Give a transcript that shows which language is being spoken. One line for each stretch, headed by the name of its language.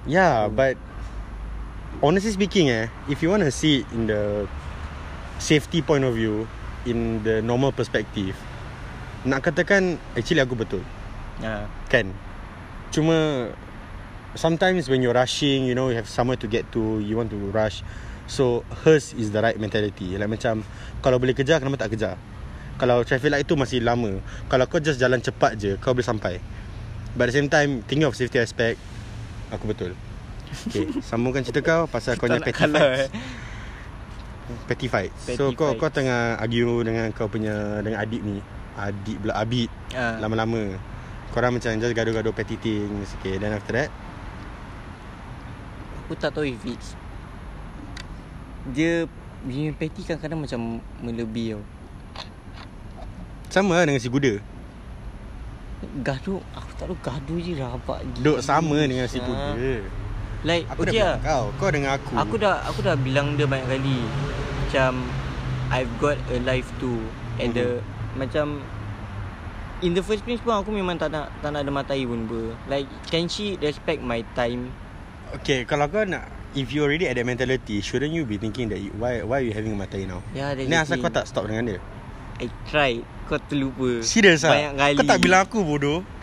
English: Yeah, but honestly speaking eh, if you want to see in the safety point of view, in the normal perspective,
Malay: nak katakan
English: actually
Malay: aku betul. Kan?
English: Cuma sometimes when you're rushing, you know, you have somewhere to get to, you want to rush. So hers is the right mentality.
Malay: Like macam, kalau boleh kejar, kenapa tak kejar? Kalau traffic light tu masih lama, kalau kau just jalan cepat je, kau boleh sampai.
English: But at the same time, thinking of safety aspect,
Malay: aku betul. Okay, sambungkan cerita kau pasal kau punya petty fights. Petty fights. So kau tengah argue dengan kau punya, dengan adik ni, adik pula, Abid. Lama-lama korang macam just gaduh-gaduh petty things.
English: Okay, then after that,
Malay: aku tak tahu
English: if it's,
Malay: dia punya petty kadang-kadang macam melebih tau. Sama lah dengan si Guda. Gaduh, aku tak tahu, gaduh je rabak gila. Duk sama dengan si Guda.
English: Like,
Malay: aku
English: okay
Malay: dah bilang kau dengan aku. Aku dah bilang dia banyak kali. Macam,
English: I've got a life too.
Malay: And the, macam,
English: in the first place
Malay: pun aku memang tak nak ada matai pun ber.
English: Like, can she respect my time? Okay,
Malay: kalau kau nak,
English: if you already at that mentality, shouldn't you be thinking that why you having matai now? Yeah,
Malay: ni asal kau tak stop dengan dia?
English: I tried,
Malay: kau terlupa. Serius lah? Banyak kali. Kau tak bilang aku bodoh?